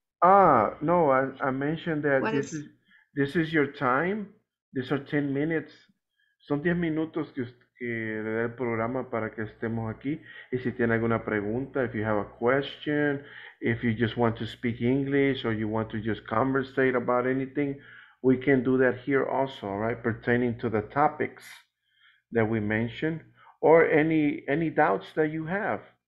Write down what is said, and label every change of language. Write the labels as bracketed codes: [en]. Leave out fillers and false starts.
[en] No, I mentioned that this is your time. These are 10 minutes. [es] Son 10 minutos que le da el programa para que estemos aquí. Y si tiene alguna pregunta, [en] if you have a question, if you just want to speak English or you want to just conversate about anything, we can do that here also, right? Pertaining to the topics that we mentioned or any doubts that you have.